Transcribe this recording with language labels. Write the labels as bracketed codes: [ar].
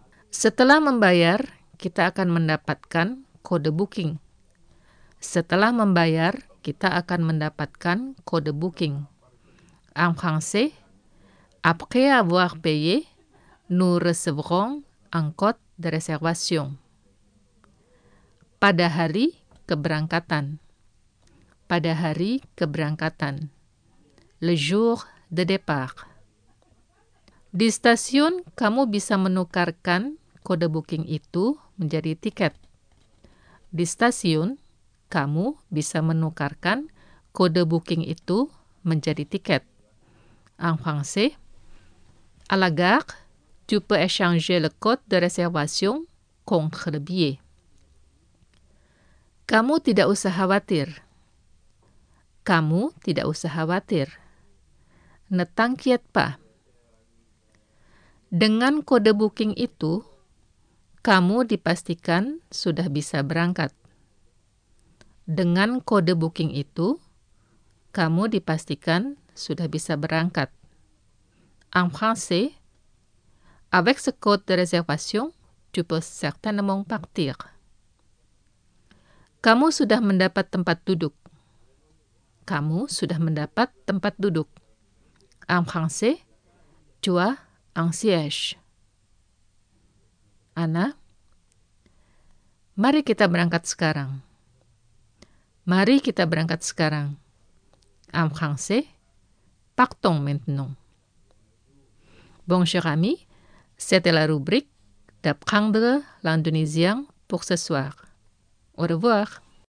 [id] Setelah membayar, kita akan mendapatkan kode booking. Setelah membayar, kita akan mendapatkan kode booking. [fr] En français, après avoir payé, nous recevrons un code de réservation. [id] Pada hari keberangkatan. Pada hari keberangkatan. [fr] Le jour de départ. [id] Di stasiun, kamu bisa menukarkan kode booking itu menjadi tiket. Di stasiun, kamu bisa menukarkan kode booking itu menjadi tiket. [fr] En français, à la gare, tu peux échanger le code de réservation contre le billet. [id] Kamu tidak usah khawatir. Kamu tidak usah khawatir. [fr] Ne t'inquiète pas. [id] Dengan kode booking itu, kamu dipastikan sudah bisa berangkat. Dengan kode booking itu, kamu dipastikan sudah bisa berangkat. [fr] En français, avec ce code de réservation, tu peux certainement partir. [id] Kamu sudah mendapat tempat duduk. Kamu sudah mendapat tempat duduk. [fr] En français, tu as un siège. [id] Anna, mari kita berangkat sekarang. Mari kita berangkat sekarang. [fr] En français, partons maintenant. Bonjour ami, c'était la rubrique d'apprendre l'indonésien pour ce soir. Au revoir.